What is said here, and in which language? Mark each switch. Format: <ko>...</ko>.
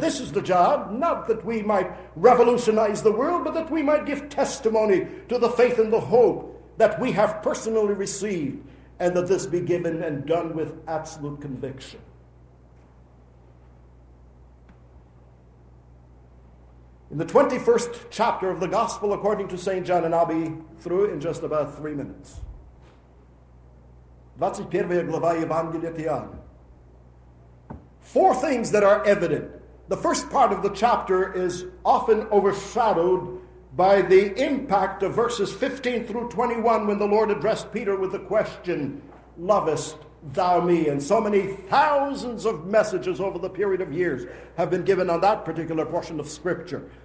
<en>This is the job, not that we might revolutionize the world, but that we might give testimony to the faith and the hope that we have personally received, and that this be given and done with absolute conviction. In the 21st chapter of the Gospel according to St. John, and I'll be through in just about 3 minutes.</en> <ru>21 глава Евангелия от Иоанна.</ru> <en>Four things that are evident. The first part of the chapter is often overshadowed by the impact of verses 15 through 21 when the Lord addressed Peter with the question, "Lovest thou me?" And so many thousands of messages over the period of years have been given on that particular portion of Scripture.</en>